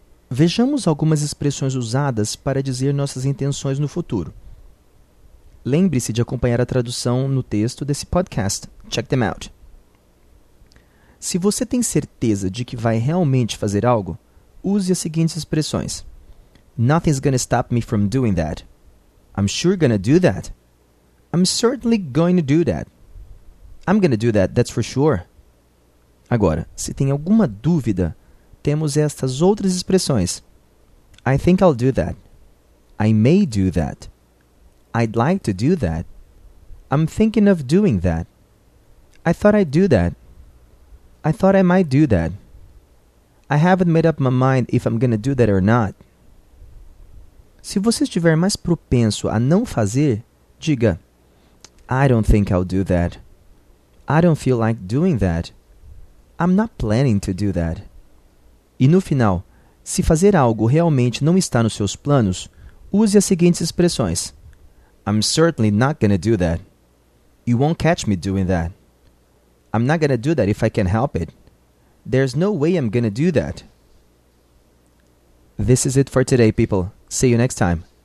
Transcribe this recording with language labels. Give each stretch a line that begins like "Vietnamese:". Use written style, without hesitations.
Portuguese: Vejamos algumas expressões usadas para dizer nossas intenções no futuro. Lembre-se de acompanhar a tradução no texto desse podcast.
English: Check them out.
Portuguese: Se você tem certeza de que vai realmente fazer algo, use as seguintes expressões.
English: Nothing's gonna stop me from doing that. I'm sure gonna do that. I'm certainly going to do that. I'm gonna do that, that's for sure.
Portuguese: Agora, se tem alguma dúvida, temos estas outras expressões.
English: I think I'll do that. I may do that. I'd like to do that. I'm thinking of doing that. I thought I'd do that. I thought I might do that. I haven't made up my mind if I'm gonna do that or not.
Portuguese: Se você estiver mais propenso a não fazer, diga,
English: I don't think I'll do that. I don't feel like doing that. I'm not planning to do that.
Portuguese: E no final, se fazer algo realmente não está nos seus planos, use as seguintes expressões.
English: I'm certainly not gonna do that. You won't catch me doing that. I'm not gonna do that if I can help it. There's no way I'm gonna do that. This is it for today, people. See you next time.